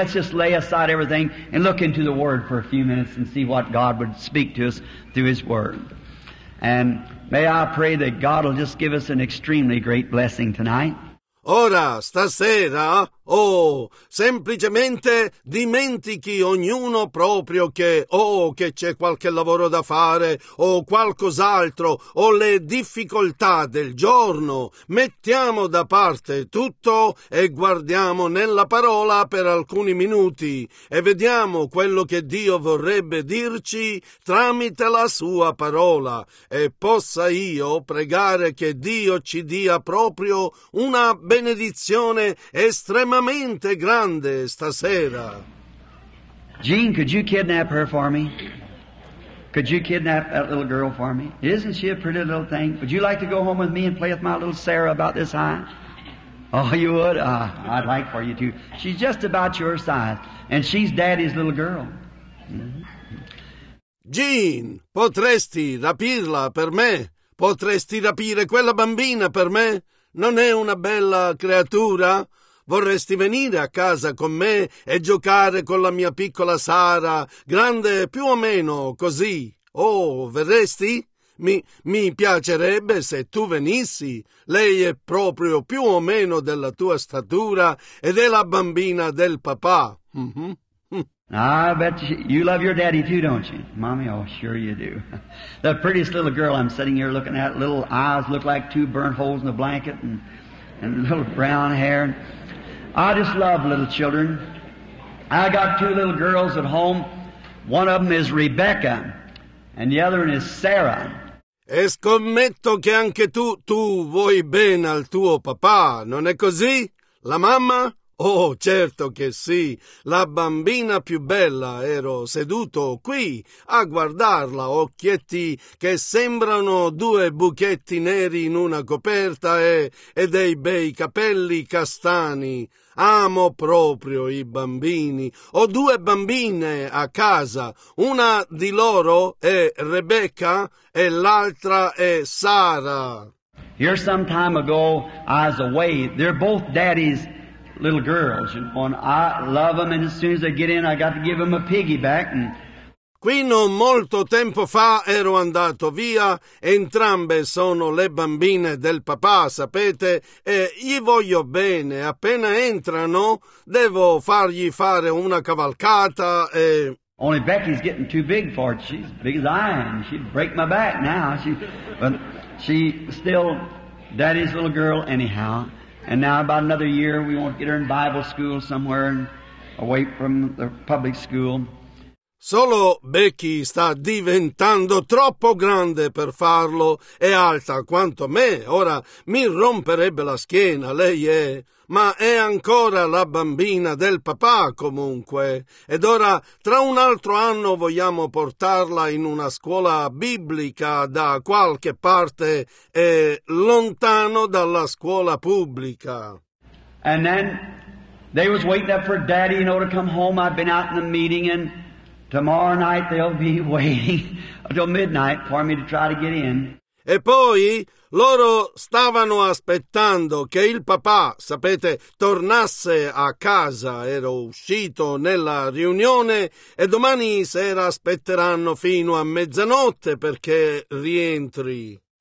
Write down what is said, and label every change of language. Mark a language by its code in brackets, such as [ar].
[en] Let's just lay aside everything and look into the Word for a few minutes and see what God would speak to us through His Word. And may I pray that God will just give us an extremely great blessing tonight. [it] Ora, stasera, semplicemente dimentichi ognuno proprio che c'è qualche lavoro da fare, o qualcos'altro, o le difficoltà del giorno. Mettiamo da parte tutto e guardiamo nella parola per alcuni minuti e vediamo quello che Dio vorrebbe dirci tramite la sua parola. E possa io pregare che Dio ci dia proprio una benedizione estremamente grande stasera. [en] Jean, could you kidnap her for me? Could you kidnap that little girl for me? Isn't she a pretty little thing? Would you like to go home with me and play with my little Sarah about this high? Oh, you would? I'd like for you to. She's just about your size, and she's Daddy's little girl. Mm-hmm. [it] Jean, potresti rapirla per me? Potresti rapire quella bambina per me? Non è una bella creatura? Vorresti venire a casa con me e giocare con la mia piccola Sara, grande più o meno così? Oh, verresti? Mi piacerebbe se tu venissi. Lei è proprio più o meno della tua statura ed è la bambina del papà. Mm-hmm. [en] I bet you love your daddy too, don't you? Mommy, oh, sure you do. The prettiest little girl I'm sitting here looking at, little eyes look like two burnt holes in a blanket and little brown hair. I just love little children. I got two little girls at home. One of them is Rebecca, And the other one is Sarah. [it] E scommetto che anche tu vuoi bene al tuo papà, non è così? La mamma? Oh, certo che sì, la bambina più bella, ero seduto qui a guardarla, occhietti che sembrano due buchetti neri in una coperta e dei bei capelli castani. Amo proprio i bambini. Ho due bambine a casa, una di loro è Rebecca e l'altra è Sara. [en] Here some time ago I was away, they're both daddy's little girls, you know, and I love them, and as soon as they get in, I got to give them a piggyback. And... [it] Qui non molto tempo fa ero andato via, entrambe sono le bambine del papà, sapete, e gli voglio bene, appena entrano, devo fargli fare una cavalcata e... [en] Only Becky's getting too big for it, she's big as I am, she'd break my back now, but she's still daddy's little girl anyhow. And now about another year we won't get her in Bible school somewhere and away from the public school. [it] Solo Becky sta diventando troppo grande per farlo, è alta quanto me, ora mi romperebbe la schiena, lei è, ma è ancora la bambina del papà comunque, ed ora tra un altro anno vogliamo portarla in una scuola biblica da qualche parte e lontano dalla scuola pubblica. [en] And then they was waiting up for daddy, you know, to come home. I've been out in the meeting and tomorrow night they'll be waiting until midnight for me to try to get in. [it] E poi loro stavano aspettando che il papà, sapete, tornasse a casa. Ero uscito nella riunione e domani sera aspetteranno fino a mezzanotte perché rientri.